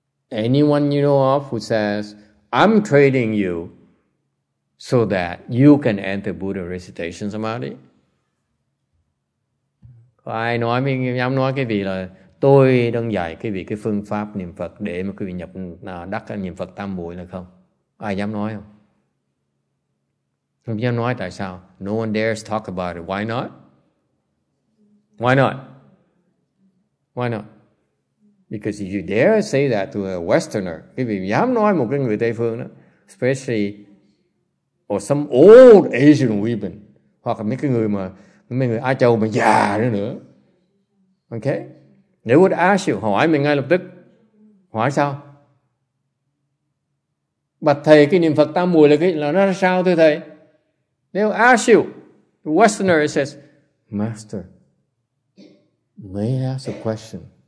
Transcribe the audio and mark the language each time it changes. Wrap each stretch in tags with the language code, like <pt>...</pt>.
<en>Anyone you know of who says, I'm training you so that you can enter Buddha recitation samadhi?</en> <vi>Ai nói mình dám nói cái vị là tôi đang dạy cái vị cái phương pháp niệm Phật để mà cái vị nhập đắc niệm Phật tam muội là không? Ai dám nói không? Không dám nói tại sao?</vi> <en>No one dares talk about it. Why not? Why not? Why not? Because if you dare say that to a Westerner,</en> <vi>cái vị dám nói một cái người Tây phương đó,</vi> <en>especially or some old Asian women,</en> <vi>hoặc là mấy cái người mà mấy người Á Châu mà già nữa. Ok?</vi> <en>They would ask you,</en> <vi>hỏi mình ngay lập tức. Hỏi sao? Bạch thầy, cái niệm Phật tam muội là cái là nó sao thưa thầy?</vi> <en>They would ask you. The Westerner says, Master, may I ask a question?</en>